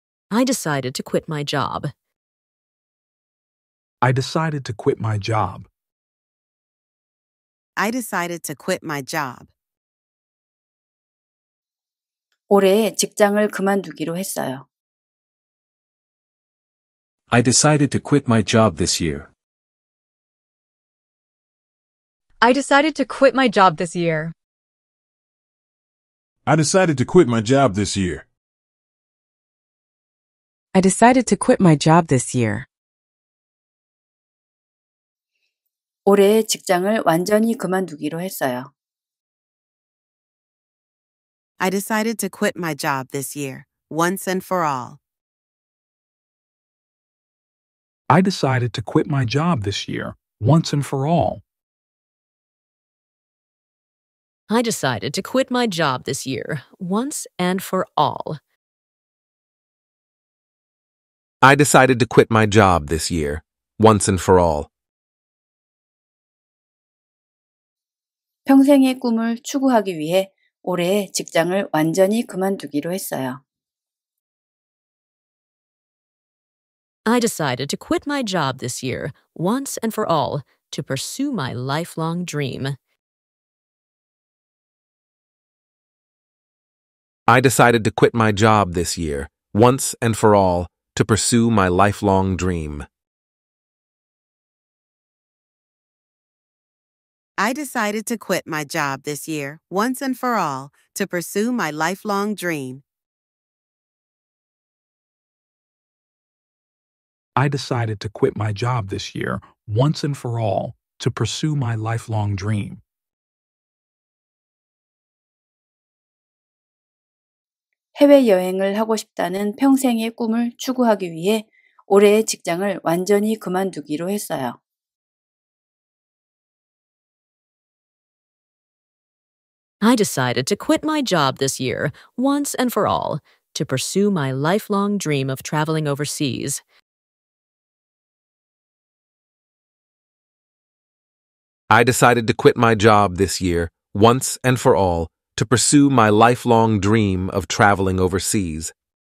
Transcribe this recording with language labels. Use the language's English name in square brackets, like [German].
[English] I decided to quit my job. I decided to quit my job. I decided to quit my job. [Korean] 올해 직장을 그만두기로 했어요. [English] I decided to quit my job this year. I decided to quit my job this year. I decided to quit my job this year. I decided to quit my job this year. [Korean] 올해 직장을 완전히 그만두기로 했어요. [English] I decided to quit my job this year, once and for all. I decided to quit my job this year, once and for all. I decided to quit my job this year, once and for all. I decided to quit my job this year, once and for all. [Korean] 평생의 꿈을 추구하기 위해 올해 직장을 완전히 그만두기로 했어요. [English] I decided to quit my job this year, once and for all, to pursue my lifelong dream. I decided to quit my job this year, once and for all, to pursue my lifelong dream. I decided to quit my job this year, once and for all, to pursue my lifelong dream. I decided to quit my job this year, once and for all, to pursue my lifelong dream. [Korean] 해외여행을 하고 싶다는 평생의 꿈을 추구하기 위해 올해의 직장을 완전히 그만두기로 했어요. [English] I decided to quit my job this year, once and for all, to pursue my lifelong dream of traveling overseas. I decided to quit my job this year, once and for all, to pursue my lifelong dream of traveling overseas.